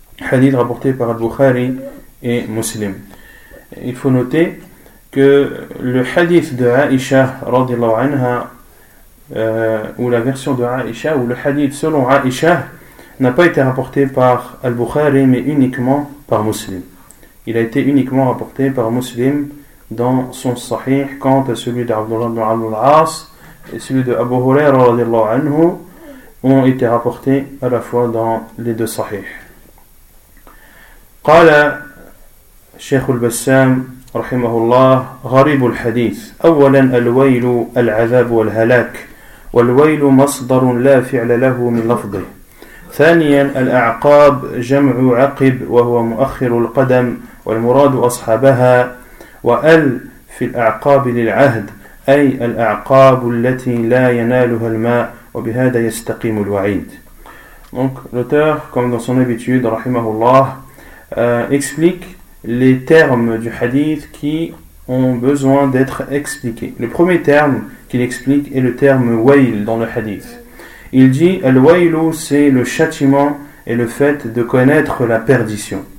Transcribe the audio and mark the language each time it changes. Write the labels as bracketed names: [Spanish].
[French] Hadith rapporté par Al-Bukhari et Muslim. Il faut noter que le hadith de Aïcha radiallahu anha, ou la version de Aïcha, ou le hadith selon Aïcha, n'a pas été rapporté par Al-Bukhari, mais uniquement par Muslim. Il a été uniquement rapporté par Muslim dans son sahih quant à celui d'Abdullah ibn Amr al-As et celui de Abu Huraira radiallahu anhu ont été rapportés à la fois dans les deux sahih. [Arabic] قال شيخ البسام رحمه الله غريب الحديث أولا الويل العذاب والهلاك والويل مصدر لا فعل له من لفظه ثانيا الأعقاب جمع عقب وهو مؤخر القدم والمراد أصحابها وأل في الأعقاب للعهد أي الأعقاب التي لا ينالها الماء وبهذا يستقيم الوعيد. [French] Donc l'auteur, comme dans son habitude, رحمه الله, explique les termes du hadith qui ont besoin d'être expliqués. Le premier terme qu'il explique est le terme « wail » dans le hadith. Il dit « al-wailu » c'est le châtiment et le fait de connaître la perdition.